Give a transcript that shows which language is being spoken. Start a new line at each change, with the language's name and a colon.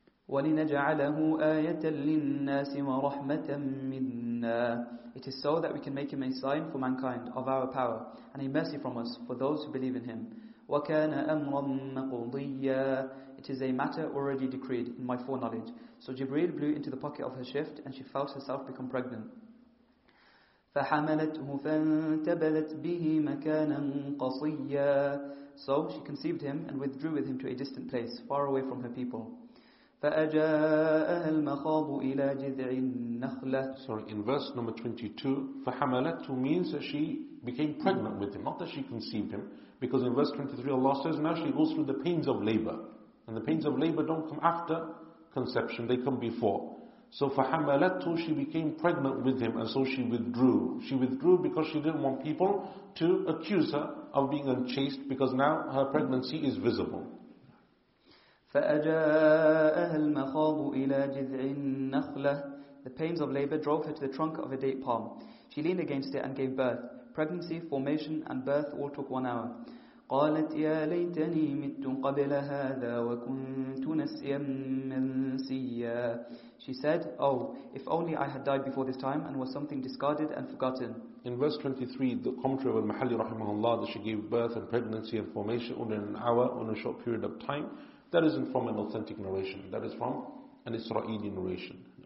Arabic: وَلِنَجْعَلَهُ آيَةً لِلنَّاسِ وَرَحْمَةً مِنَّا.
English: It is so that we can make him a sign for mankind of our power and a mercy from us for those who believe in him.
Arabic: وَكَانَ أَمْرًا مَقُضِيًّا.
English: It is a matter already decreed in my foreknowledge. So Jibreel blew into the pocket of her shift and she felt herself become pregnant.
Arabic: فحملته فانتبذت به مكانا قصيا.
English: So she conceived him and withdrew with him to a distant place, far away from her people.
Arabic: فأجاءها المخاض إلى جذع النخلة.
English: Sorry, in verse number 22, فحملته means that she became pregnant with him, not that she conceived him. Because in verse 23, Allah says, now she goes through the pains of labor. And the pains of labor don't come after conception, they come before. So فَحَمَلَتْهُ, she became pregnant with him, and so she withdrew. She withdrew because she didn't want people to accuse her of being unchaste, because now her pregnancy is visible.
Arabic: فَأَجَاءَهَا الْمَخَاضُ إِلَى جِذْعِ النَّخْلَةِ.
English: The pains of labor drove her to the trunk of a date palm. She leaned against it and gave birth. Pregnancy, formation, and birth all took 1 hour.
Arabic: قالت يا ليتني مت قبل هذا وكنت نسيا منسيا.
English: She said, oh, if only I had died before this time and was something discarded and forgotten. In verse 23, the commentary of Al-Mahalli rahimahullah, that she gave birth and pregnancy and formation only in an hour, on a short period of time, that isn't from an authentic narration. That is from an Israeli narration.